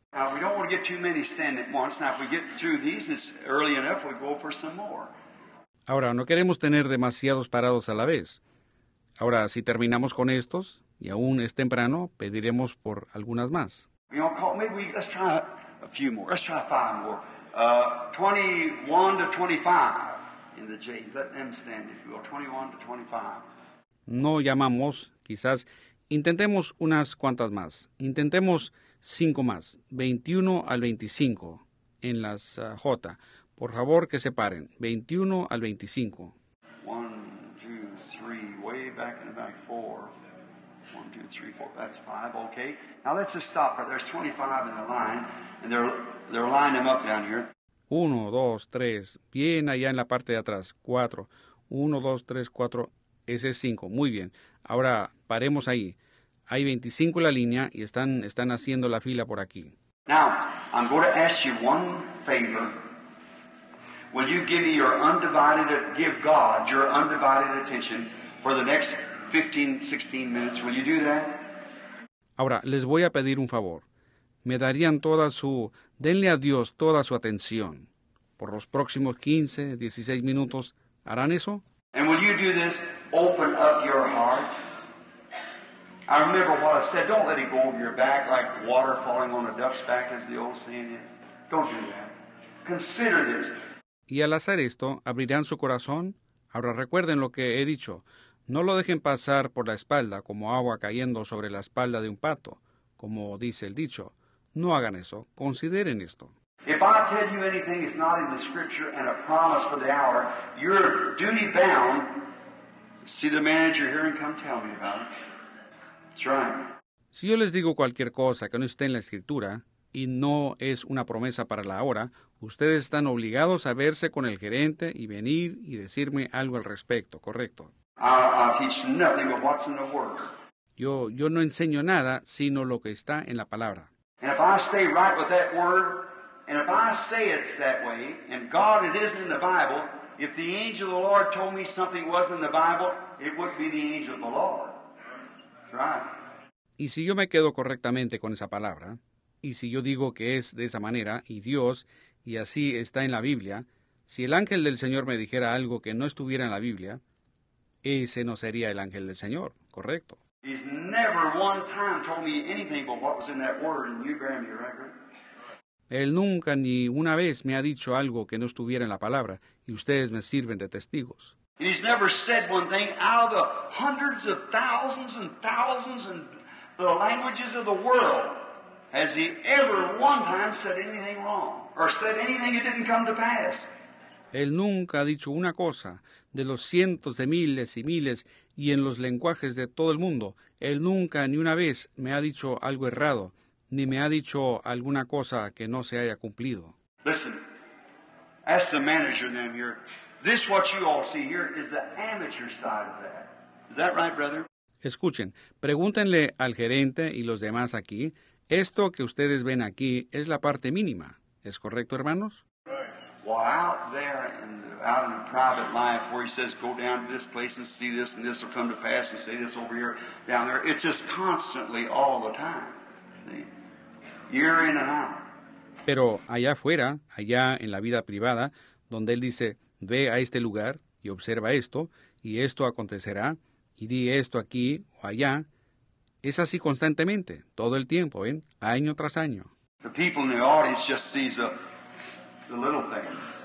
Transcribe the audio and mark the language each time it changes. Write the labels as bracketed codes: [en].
[en] Now, we don't want to get too many standing at once. Now, if we get through these early enough, we go for some more. [es] Ahora, no queremos tener demasiados parados a la vez. Ahora, si terminamos con estos, y aún es temprano, pediremos por algunas más. [en] You know, call, maybe we, let's try a few more. Let's try five more. 21 to 25 in the J's. Let them stand, if you will. 21 to 25. [es] No llamamos, quizás. Intentemos unas cuantas más. Intentemos cinco más. 21 al 25 en las J. Por favor, que se paren. 21 al 25. [en] 1, 2, 3, way back in the back, 4. 1, 2, 3, 4, that's 5, okay. Now let's just stop. There's 25 in the line, and they're lining them up down here. [es] 1, 2, 3, bien allá en la parte de atrás, 4. 1, 2, 3, 4, ese es 5. Muy bien. Ahora, paremos ahí. Hay 25 en la línea y están haciendo la fila por aquí. [en] Now, I'm going to ask you one favor. Will you give me your undivided, give God your undivided attention for the next 15, 16 minutes? Will you do that? [es] Ahora, les voy a pedir un favor. Me darían toda su, denle a Dios toda su atención. Por los próximos 15, 16 minutos, ¿harán eso? [en] And will you do this? Open up your heart. I remember what I said, don't let it go over your back like water falling on a duck's back, as the old saying is. Don't do that. Consider this. [es] Y al hacer esto, ¿abrirán su corazón? Ahora recuerden lo que he dicho. No lo dejen pasar por la espalda como agua cayendo sobre la espalda de un pato, como dice el dicho. No hagan eso. Consideren esto. [en] If I tell you anything is not in the scripture and a promise for the hour, you're duty bound. See the manager here and come tell me about it. That's right. [es] Si yo les digo cualquier cosa que no esté en la escritura, y no es una promesa para la hora, ustedes están obligados a verse con el gerente y venir y decirme algo al respecto, ¿correcto? [en] I teach nothing but what's in the word. [es] Yo no enseño nada sino lo que está en la palabra. [en] And if I stay right with that word, and if I say it's that way, and God, it isn't in the Bible, if the angel of the Lord told me something wasn't in the Bible, it wouldn't be the angel of the Lord. That's right. [es] Y si yo me quedo correctamente con esa palabra, y si yo digo que es de esa manera, y Dios, y así está en la Biblia, si el ángel del Señor me dijera algo que no estuviera en la Biblia, ese no sería el ángel del Señor, ¿correcto? [en] He's never one time told me anything but what was in that word, and you bear me record. [es] Él nunca ni una vez me ha dicho algo que no estuviera en la palabra, y ustedes me sirven de testigos. [en] He's never said one thing out of the hundreds of thousands and thousands and the languages of the world. Has he ever one time said anything wrong? Or said anything that didn't come to pass? [es] Él nunca ha dicho una cosa de los cientos de miles y miles y en los lenguajes de todo el mundo. Él nunca ni una vez me ha dicho algo errado, ni me ha dicho alguna cosa que no se haya cumplido. [en] Listen, ask the manager down here. This what you all see here is the amateur side of that. Is that right, brother? [es] Escuchen, pregúntenle al gerente y los demás aquí. Esto que ustedes ven aquí es la parte mínima. ¿Es correcto, hermanos? [en] Well, out there, out in the private life, where he says, go down to this place and see this, and this will come to pass, and say this over here, down there. It's just constantly, all the time. Year in and out. [es] Pero allá afuera, allá en la vida privada, donde él dice, ve a este lugar y observa esto, y esto acontecerá, y di esto aquí o allá, es así constantemente, todo el tiempo, ¿ven? Año tras año. [en] The people in the audience just sees the little things.